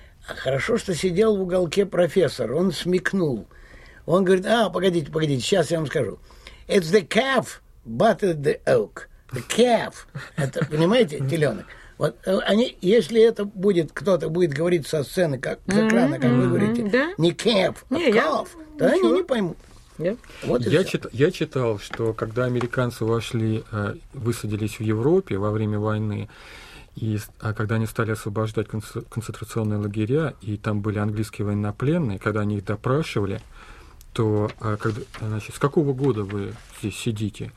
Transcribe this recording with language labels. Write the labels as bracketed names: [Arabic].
[Russian] А хорошо, что сидел в уголке профессор. Он смекнул. Он говорит, погодите, сейчас я вам скажу. [English] It's the calf butted the oak. The calf. [Russian] Это, понимаете, теленок. Вот они, если это будет, кто-то будет говорить со сцены, как с экрана, как вы говорите, да? Не calf, не, а calf, то ничего. Они не поймут. Вот я читал, что когда американцы вошли, высадились в Европе во время войны, а когда они стали освобождать концентрационные лагеря, и там были английские военнопленные, когда они их допрашивали, то с какого года вы здесь сидите?